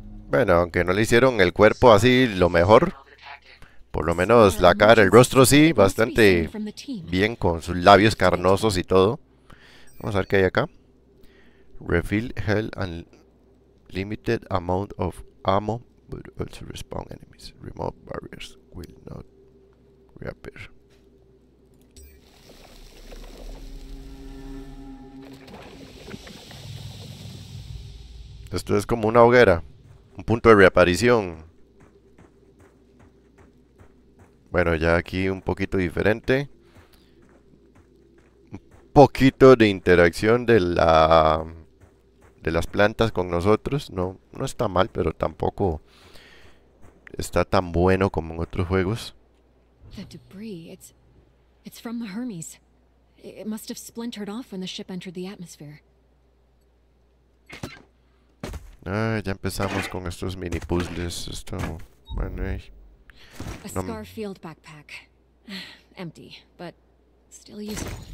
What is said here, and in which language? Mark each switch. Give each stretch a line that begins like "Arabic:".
Spanish: Bueno, aunque no le hicieron el cuerpo así lo mejor, por lo menos la cara, el rostro sí, bastante bien con sus labios carnosos y todo. Vamos a ver qué hay acá.
English: Refill health and limited amount of ammo, but also respawn enemies. Remove barriers will not reappear.
Spanish: Esto es como una hoguera. Un punto de reaparición. Bueno, ya aquí un poquito diferente. Un poquito de interacción de las plantas con nosotros. No, no está mal, pero tampoco está tan bueno como en otros juegos.
English: The debris, it's from the Hermes. It must have splintered off when the ship entered the atmosphere.
Spanish: Ah, ya empezamos con estos mini puzzles. Esto, bueno,
English: A Scarfield backpack. Empty, but still useful.